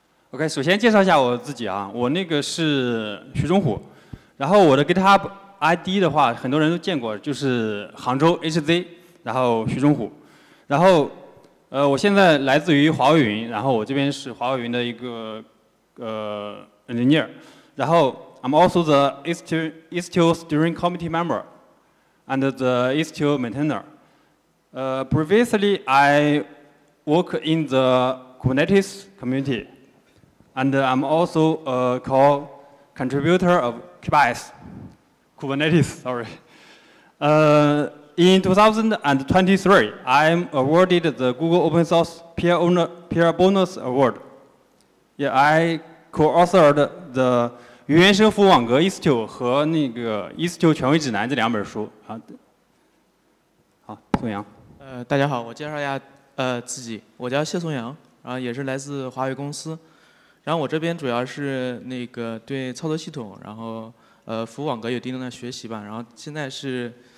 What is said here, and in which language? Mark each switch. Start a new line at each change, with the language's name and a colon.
Chinese: OK，首先介绍一下我自己啊，我那个是徐忠虎，然后我的 GitHub ID 的话，很多人都见过，就是杭州 HZ，然后徐忠虎，然后。我现在来自于华为云，然后我这边是华为云的一个engineer，然后
English: I'm also the Istio steering committee member and the Istio maintainer. Previously, I work in the Kubernetes community, and I'm also a co-contributor of Kubernetes. In 2023, I'm awarded the Google Open Source Peer Bonus Award. Yeah, I co-authored the《云原生服务网格 Istio》
Chinese: 和那个
English: 《Istio 权威指南》
Chinese: 这两本书。好，好，宋阳。大家好，我介绍一下自己，我叫谢松阳，然后也是来自华为公司，然后我这边主要是那个对操作系统，然后服务网格有一定的学习吧，然后现在是。